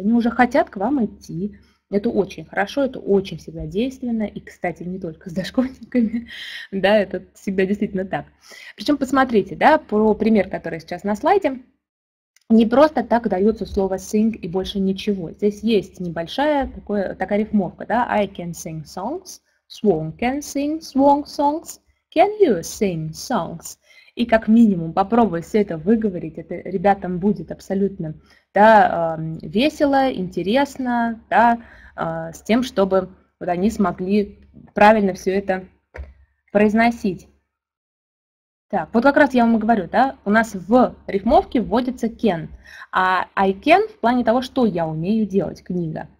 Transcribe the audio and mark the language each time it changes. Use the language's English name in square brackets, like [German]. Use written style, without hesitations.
[Russian] Они уже хотят к вам идти. Это очень хорошо, это очень всегда действенно. И, кстати, не только с дошкольниками, да, это всегда действительно так. Причем посмотрите, да, про пример, который сейчас на слайде. Не просто так дается слово sing и больше ничего. Здесь есть небольшая такая рифмовка, да, [English] I can sing songs, swan can sing swan songs, can you sing songs? [Russian] И как минимум попробуй все это выговорить, это ребятам будет абсолютно, да, весело, интересно, да, с тем, чтобы вот они смогли правильно все это произносить. Так, вот как раз я вам и говорю, да, у нас в рифмовке вводится can, а [English] I can [Russian] в плане того, что я умею делать, книга.